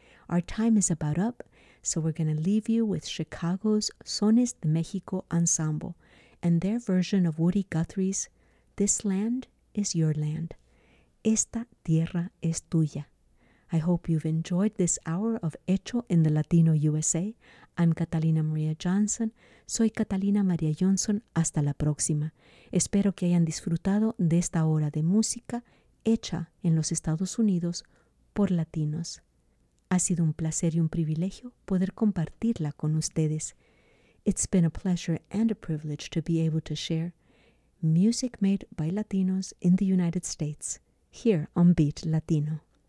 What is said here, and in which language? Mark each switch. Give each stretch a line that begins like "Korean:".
English: Our time is about up, so we're going to leave you with Chicago's Sones de México Ensemble and their version of Woody Guthrie's This Land is Your Land.
Spanish: Esta tierra es tuya.
English: I hope you've enjoyed this hour of Hecho in the Latino USA. I'm Catalina Maria Johnson.
Spanish: Soy Catalina Maria Johnson. Hasta la próxima. Espero que hayan disfrutado de esta hora de música hecha en los Estados Unidos por latinos. Ha sido un placer y un privilegio poder compartirla con ustedes.
English: It's been a pleasure and a privilege to be able to share music made by Latinos in the United States here on Beat Latino.